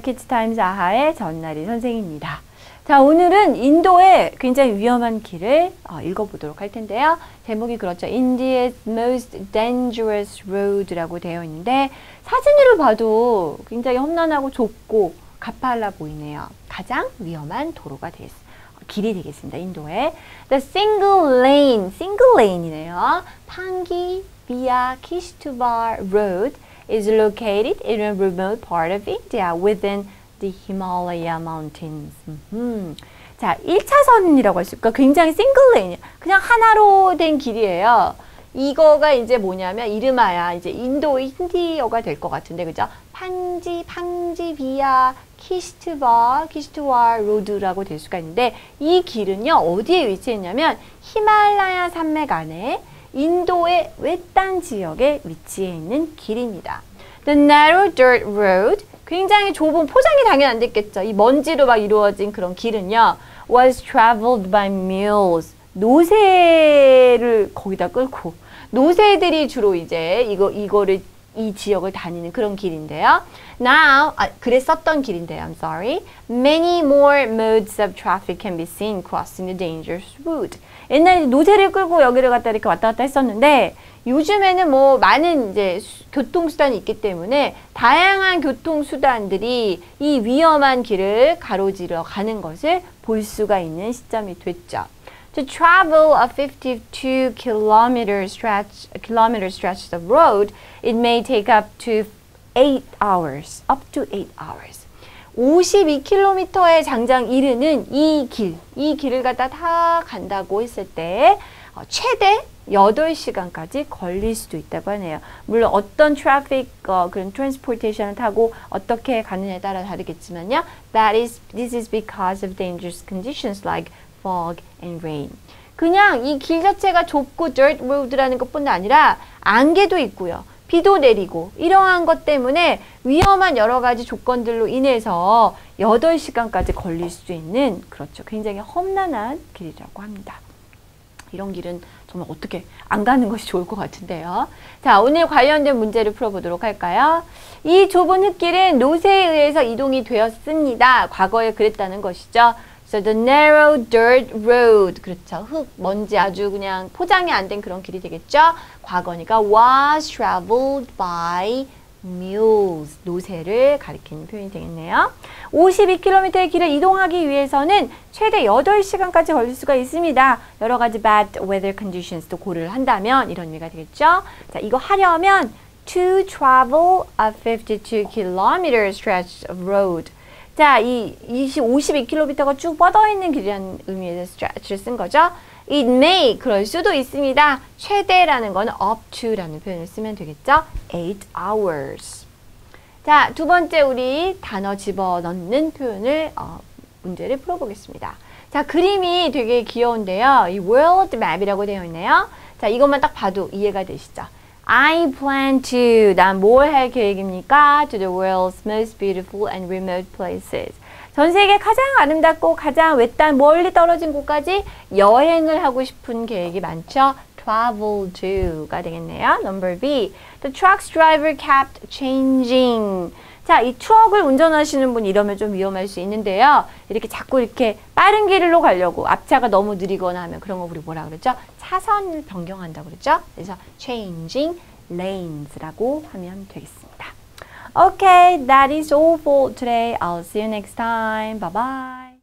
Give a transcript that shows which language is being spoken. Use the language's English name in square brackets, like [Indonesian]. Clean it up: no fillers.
[Korean] Kids Times 아하의 전나리 선생입니다. 자, 오늘은 인도의 굉장히 위험한 길을 읽어보도록 할 텐데요. 제목이 그렇죠. [English] India's Most Dangerous Road [Korean] 라고 되어 있는데 사진으로 봐도 굉장히 험난하고 좁고 가팔라 보이네요. 가장 위험한 도로가 되겠습니다. 길이 되겠습니다. 인도에 [English] the single lane, single lane [Korean] 이네요. [English] Pangi via Kishtubar Road is located in a remote part of India within the Himalaya Mountains. Mm-hmm. [Korean] 자, 1차선이라고 할 수 있고 굉장히 single lane, 그냥 하나로 된 길이에요. 이거가 이제 뭐냐면 이름하야 이제 인도 힌디어가 될 것 같은데 그죠? 팡지 비아 키스트바 로드라고 될 수가 있는데 이 길은요 어디에 위치했냐면 히말라야 산맥 안에 인도의 외딴 지역에 위치해 있는 길입니다. [English] The narrow dirt road [Korean] 굉장히 좁은 포장이 당연히 안 됐겠죠. 이 먼지로 막 이루어진 그런 길은요 [English] was traveled by mules [Korean] 노새를 거기다 끌고 노새들이 주로 이제 이거를 이 지역을 다니는 그런 길인데요. Now, 그랬었던 길인데요. [English] I'm sorry. Many more modes of traffic can be seen crossing the dangerous route. [Korean] 옛날에 노새를 끌고 여기를 갔다 이렇게 왔다 갔다 했었는데 요즘에는 뭐 많은 이제 교통수단이 있기 때문에 다양한 교통수단들이 이 위험한 길을 가로지르러 가는 것을 볼 수가 있는 시점이 됐죠. [English] To travel a 52 kilometer stretch of road, it may take up to 8 hours. Up to 8 hours. [Korean] 52km에 장장 이르는 이 길, 이 길을 갖다 다 간다고 했을 때 최대 8시간까지 걸릴 수도 있다고 하네요. 물론 어떤 트래픽 그런 트랜스포테이션을 타고 어떻게 가느냐에 따라 다르겠지만요. [English] This is because of dangerous conditions like fog and rain. [Korean] 그냥 이 길 자체가 좁고 dirt road라는 것뿐 아니라 안개도 있고요. 비도 내리고 이러한 것 때문에 위험한 여러 가지 조건들로 인해서 8시간까지 걸릴 수 있는 그렇죠. 굉장히 험난한 길이라고 합니다. 이런 길은 정말 어떻게 안 가는 것이 좋을 것 같은데요. 자, 오늘 관련된 문제를 풀어보도록 할까요? 이 좁은 흙길은 노새에 의해서 이동이 되었습니다. 과거에 그랬다는 것이죠. [English] So the narrow dirt road, [Korean] 그렇죠. 흙, 먼지 아주 그냥 포장이 안 된 그런 길이 되겠죠. 과거니까 [English] was traveled by mules, [Korean] 노새를 가리키는 표현이 되겠네요. 52km의 길을 이동하기 위해서는 최대 8시간까지 걸릴 수가 있습니다. 여러 가지 bad weather conditions도 고려를 한다면 이런 의미가 되겠죠. 자, 이거 하려면 [English] to travel a 52km stretch of road. [Korean] 자, 이 52km가 쭉 뻗어있는 길이라는 의미에서 stretch를 쓴 거죠. [English] It may, [Korean] 그럴 수도 있습니다. 최대라는 건 up to라는 표현을 쓰면 되겠죠. [English] 8 hours. [Korean] 자, 두 번째 우리 단어 집어넣는 표현을, 문제를 풀어보겠습니다. 자, 그림이 되게 귀여운데요. 이 world map이라고 되어 있네요. 자, 이것만 딱 봐도 이해가 되시죠? [English] I plan to, [Korean] 난 뭘 할 계획입니까? [English] To the world's most beautiful and remote places. [Korean] 전 세계 가장 아름답고 가장 외딴 멀리 떨어진 곳까지 여행을 하고 싶은 계획이 많죠. Travel to가 되겠네요. [English] Number B, the truck's driver kept changing. [Korean] 자, 이 트럭을 운전하시는 분 이러면 좀 위험할 수 있는데요. 이렇게 자꾸 이렇게 빠른 길로 가려고 앞차가 너무 느리거나 하면 그런 거 우리 뭐라 그러죠? 차선을 변경한다고 그러죠? 그래서 changing lanes라고 하면 되겠습니다. [English] Okay, that is all for today. I'll see you next time. Bye-bye.